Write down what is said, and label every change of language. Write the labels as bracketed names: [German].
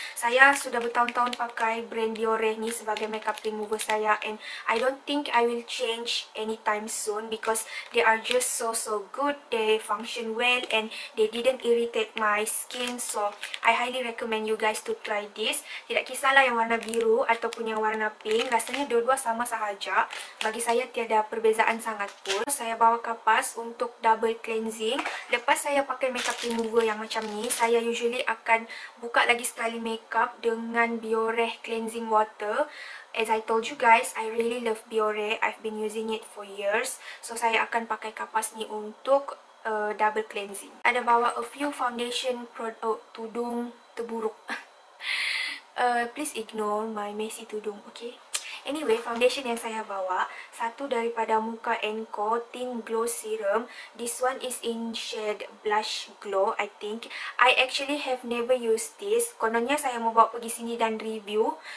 [Malay] Saya sudah bertahun-tahun pakai brand Biore ni sebagai makeup remover [English] saya and I don't think I will change anytime soon because they are just so good. They function well and they didn't irritate my skin, so I highly recommend you guys to try this. [Malay] Tidak kisahlah yang warna biru ataupun yang warna pink, rasanya dua-dua sama sahaja. Bagi saya tiada perbezaan sangat pun. Saya bawa kapas untuk double cleansing. Lepas saya pakai makeup remover yang macam ni, saya usually akan buka lagi sekali makeup dengan Biore cleansing water. [English] As I told you guys, I really love Biore. I've been using it for years. [Malay] So saya akan pakai kapas ni untuk double cleansing. Ada bawa a few foundation product, tudung terburuk. [English] Please ignore my messy tudung, okay? [Malay] Anyway, foundation yang saya bawa, satu daripada Muka & Co. [English] Tint Glow Serum. This one is in shade Blush Glow, I think. I actually have never used this. [Malay] Kononnya saya mau bawa pergi sini dan review.